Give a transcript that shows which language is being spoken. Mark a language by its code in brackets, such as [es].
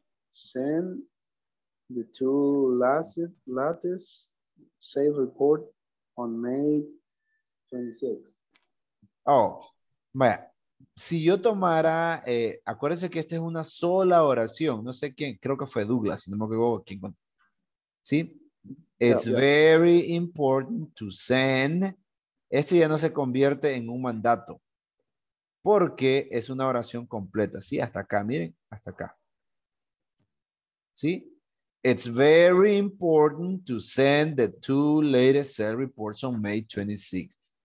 [en] Send the 2 latest sales report on May 26th. [es] Oh, vaya. Si yo tomara, acuérdense que esta es una sola oración. No sé quién, creo que fue Douglas, si no me equivoco. ¿Quién? ¿Sí? [en] It's very important to send. [es] Este ya no se convierte en un mandato porque es una oración completa. Sí, hasta acá, miren, hasta acá. ¿Sí? [en] It's very important to send the 2 latest sales reports on May 26th.